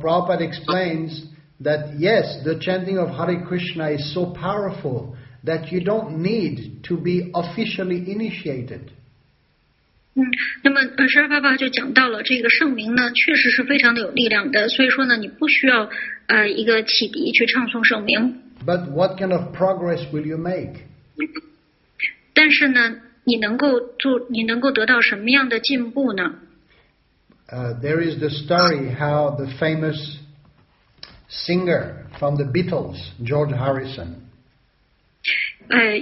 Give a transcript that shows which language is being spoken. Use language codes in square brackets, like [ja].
[en] Prabhupada explains that yes, the chanting of Hare Krishna is so powerful that you don't need to be officially initiated. [zh] 那么，释迦牟尼佛就讲到了这个圣名呢，确实是非常的有力量的。所以说呢，你不需要一个启迪去唱诵圣名。But [en] what kind of progress will you make? [zh] 但是呢，你能够得到什么样的进步呢？ [en] There is the story how the famous singer from the Beatles, George Harrison.